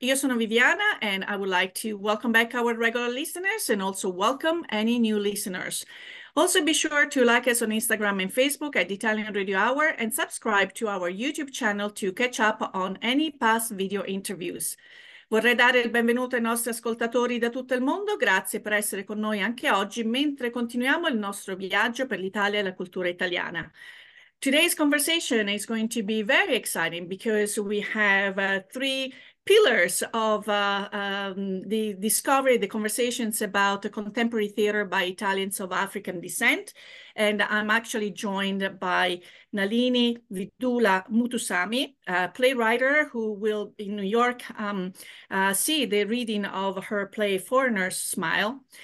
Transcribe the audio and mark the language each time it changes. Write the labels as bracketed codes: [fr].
[it] Io sono [en] Viviana and I would like to welcome back our regular listeners and also welcome any new listeners. Also be sure to like us on Instagram and Facebook at the Italian Radio Hour and subscribe to our YouTube channel to catch up on any past video interviews. [it] Vorrei dare il benvenuto ai nostri ascoltatori da tutto il mondo, grazie per essere con noi anche oggi mentre continuiamo il nostro viaggio per l'Italia e la cultura italiana. [en] Today's conversation is going to be very exciting because we have three pillars of the discovery, the conversations about contemporary theatre by Italians of African descent. And I'm actually joined by Nalini Vidula Mutusami, a playwright who will in New York see the reading of her play, Foreigner's Smile.